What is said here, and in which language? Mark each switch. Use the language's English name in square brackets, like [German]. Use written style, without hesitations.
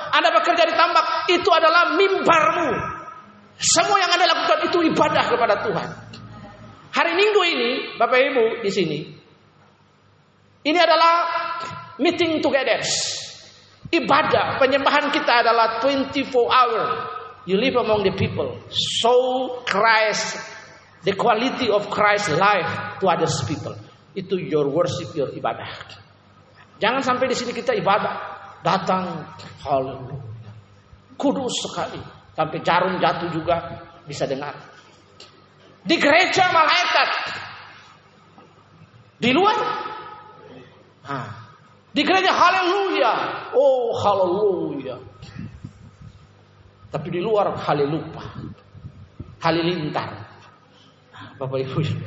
[Indonesian] Anda bekerja di tambak, itu adalah mimbarmu. Semua yang Anda lakukan itu ibadah kepada Tuhan. Hari Minggu ini, Bapak Ibu di sini, ini adalah [English] meeting together. [Indonesian] Ibadah, penyembahan kita adalah [English] 24 hour. You live among the people. Show Christ, the quality of Christ's life to other people. [Indonesian] Itu [English] your worship, your [Indonesian] ibadah. Jangan sampai di sini kita ibadah datang haleluya kudus sekali sampai jarum jatuh juga bisa dengar. Di gereja malaikat, di luar di gereja haleluya, haleluya, tapi di luar halelupa, halilintar. Bapak Ibu,